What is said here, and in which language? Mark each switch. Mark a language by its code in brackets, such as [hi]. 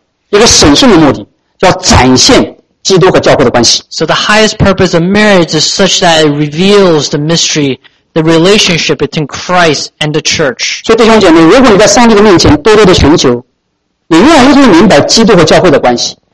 [zh] 一个审讯的目的, 叫展现基督和教会的关系。 [en] So the highest purpose of marriage is such that it reveals the mystery, the relationship between Christ and the church. [zh] 所以弟兄姐妹, 如果你在上帝的面前多多的寻求, 你越来越明白基督和教会的关系。